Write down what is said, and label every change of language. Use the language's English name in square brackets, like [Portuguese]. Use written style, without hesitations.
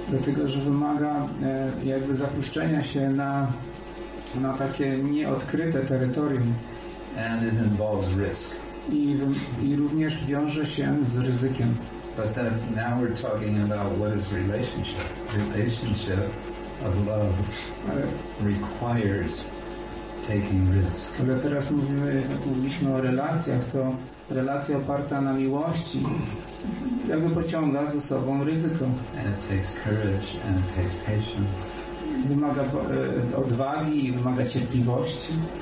[Polish] Dlatego, że wymaga jakby zapuszczenia się na takie nieodkryte terytorium. [English] And it involves risk. [Polish] I również wiąże się z ryzykiem. [English] But then now we're talking about what is relationship. Relationship of love requires taking risks. [Polish] Ale teraz mówiliśmy o relacjach, to relacja oparta na miłości jakby pociąga ze sobą ryzyko. [English] And it takes courage and it takes patience. [Polish] Wymaga odwagi i wymaga cierpliwości.